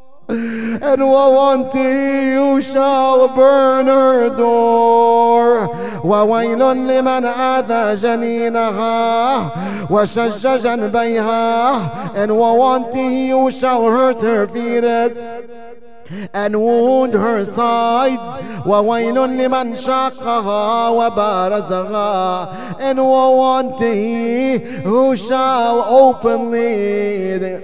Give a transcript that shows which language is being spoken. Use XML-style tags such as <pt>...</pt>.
<en>And woe unto you shall burn her door.</en> <ar>وويل لمن آذى جنينها وشج جنبيها.</ar> <en>And woe unto you shall hurt her fetus and wound her sides.</en> <ar>وويل لمن شقها وبارزها.</ar> <en>And woe unto he who shall openly</en>